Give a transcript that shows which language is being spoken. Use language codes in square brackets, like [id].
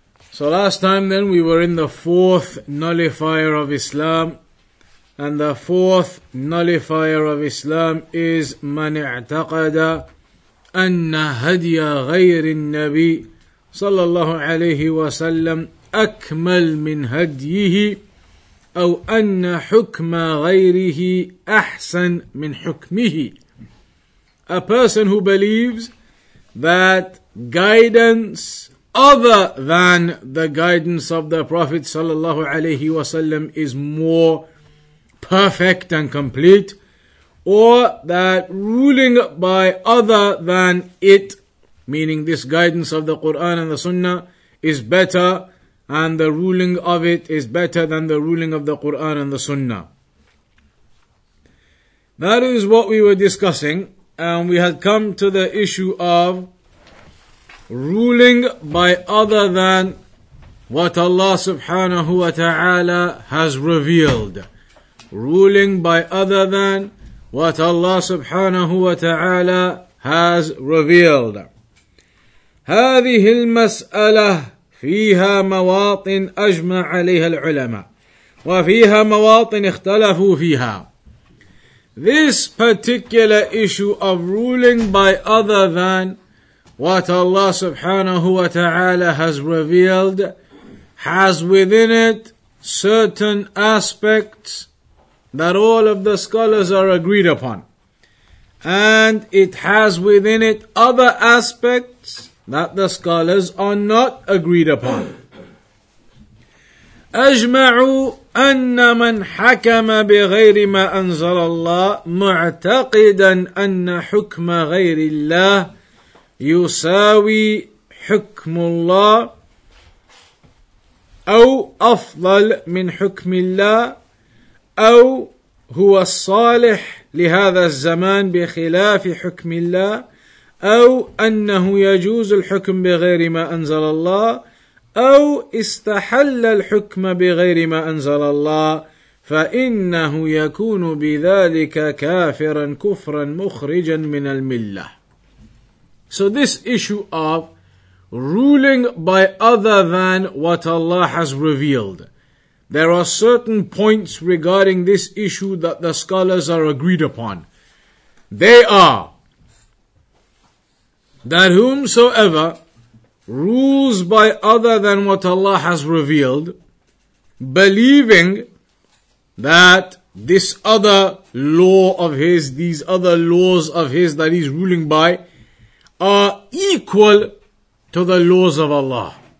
[en] So last time then we were in the fourth nullifier of Islam, and the fourth nullifier of Islam is [ar] من اعتقد أن هدي غير النبي صلى الله عليه وسلم أكمل من هديه أو أن حكم غيره أحسن من حكمه. [en] A person who believes that guidance other than the guidance of the Prophet sallallahu alayhi wasallam is more perfect and complete, or that ruling by other than it, meaning this guidance of the Quran and the Sunnah, is better, and the ruling of it is better than the ruling of the Quran and the Sunnah. That is what we were discussing, and we had come to the issue of ruling by other than what Allah subhanahu wa ta'ala has revealed. Ruling by other than what Allah subhanahu wa ta'ala has revealed. [ar] هذه المسألة فيها مواطن أجمع عليها العلماء وفيها مواطن اختلفوا فيها. [en] This particular issue of ruling by other than what Allah subhanahu wa ta'ala has revealed has within it certain aspects that all of the scholars are agreed upon. And it has within it other aspects that the scholars are not agreed upon. [ar] أجمعوا أن من حكم بغير ما أنزل الله معتقدا أن حكم غير الله يساوي حكم الله أو أفضل من حكم الله أو هو الصالح لهذا الزمان بخلاف حكم الله أو أنه يجوز الحكم بغير ما أنزل الله أو استحل الحكم بغير ما أنزل الله فإنه يكون بذلك كافرا كفرا مخرجا من الملة. [en] So this issue of ruling by other than what Allah has revealed, there are certain points regarding this issue that the scholars are agreed upon. They are that whomsoever rules by other than what Allah has revealed, believing that this other law of his, these other laws of his that he's ruling by, are equal to the laws of Allah.